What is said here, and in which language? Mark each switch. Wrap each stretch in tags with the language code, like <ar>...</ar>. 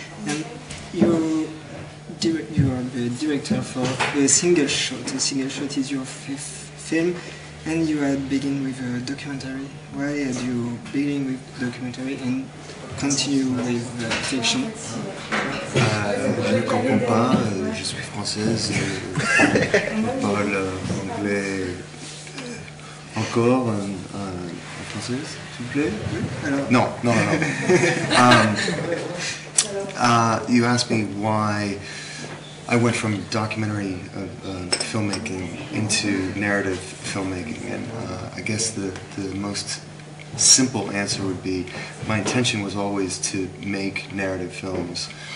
<en>And you are the director for a single shot. A single shot is your fifth film, and you had begin with a documentary. Why had you begin with documentary and continue with fiction?</en> <fr>Je ne comprends pas, je suis française, je parle anglais encore, en français, s'il vous plaît. Alors. Non.</fr> <en>you asked me why I went from documentary filmmaking into narrative filmmaking, and I guess the most simple answer would be my intention was always to make narrative films.</en>